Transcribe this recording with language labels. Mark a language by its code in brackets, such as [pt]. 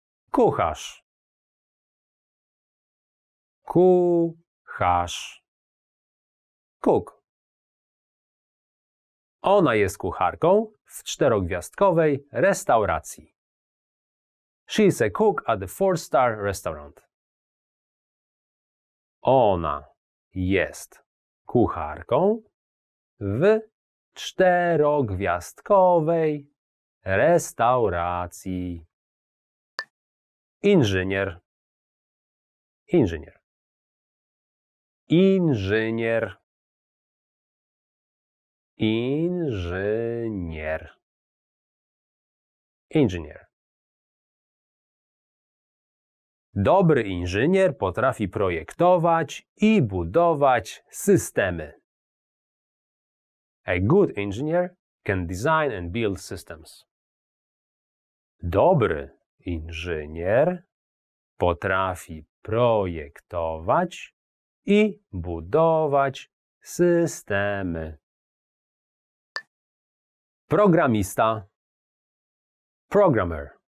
[pl] Kucharz. Kucharz. [en] Cook. [pl] Ona jest kucharką w czterogwiazdkowej restauracji. [en] She is a cook at the 4-star restaurant. [pl] Ona jest kucharką w czterogwiazdkowej restauracji. Inżynier. Inżynier. Inżynier. Inżynier. Inżynier. Dobry inżynier potrafi projektować i budować systemy. [en] A good engineer can design and build systems. [pl] Dobry inżynier potrafi projektować i budować systemy. Programista. [en] Programmer.